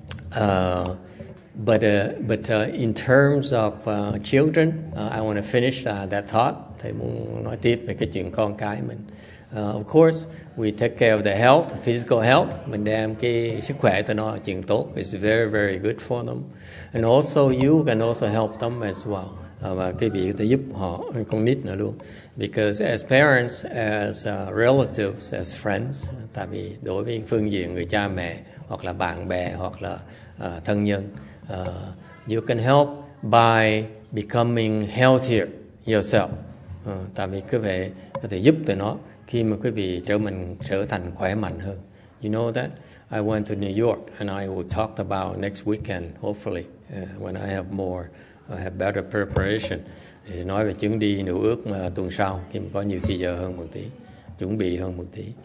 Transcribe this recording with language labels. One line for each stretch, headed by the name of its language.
English: So anyway, in terms of children, I want to finish that thought.
Vietnamese: Thầy muốn nói tiếp về cái chuyện con cái mình.
English: Of course, we take care of the health, physical health.
Vietnamese: Mình đem cái sức khỏe cho nó chuyện tốt.
English: It's very, very good for them. And also, you can also help them as well.
Vietnamese: Và cái việc để giúp họ, con nít nữa luôn.
English: Because as parents, as relatives, as friends,
Vietnamese: tại vì đối với phương diện người cha mẹ, hoặc là bạn bè, hoặc là thân nhân,
English: you can help by becoming healthier yourself.
Vietnamese: Tại vì quý vị có thể giúp tụi nó khi mà quý vị trở thành khỏe mạnh hơn.
English: You know that? I went to New York and I will talk about next weekend, hopefully, when I have more, I have better preparation.
Vietnamese: Thì nói về chuyến đi nửa ước tuần sau, khi mà có nhiều thời giờ hơn một tí, chuẩn bị hơn một tí.